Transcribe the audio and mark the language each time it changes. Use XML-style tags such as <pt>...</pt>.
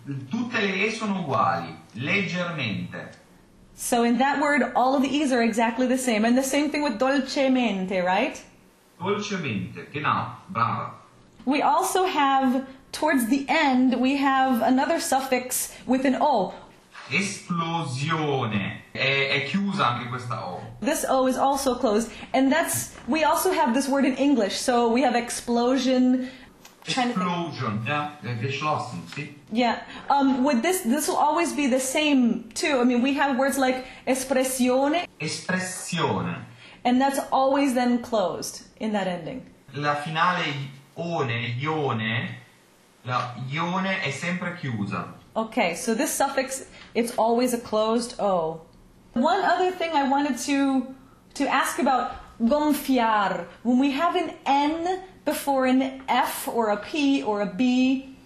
<it>Tutte le E sono uguali, leggermente.</it> <en>So in that word, all of the E's are exactly the same. And the same thing with dolcemente, right?</en> <it>Dolcemente, genau, brava.</it> <en>We also have, towards the end, we have another suffix with an O.</en> <it>Esplosione. È chiusa anche questa O.</it> <en>This O is also closed. And that's, we also have this word in English. So we have explosion. Explosion, yeah.</en> <de>Geschlossen,</de> <en>sì. Yeah. With this will always be the same too. I mean, we have words like espressione.</en> <it>Espressione.</it> <en>And that's always then closed in that ending.</en> <it>La finale ione, ione, la ione è sempre chiusa.</it> <en>Okay, so this suffix, it's always a closed O. One other thing I wanted to ask about, gonfiar. When we have an N before an F or a P or a B.</en>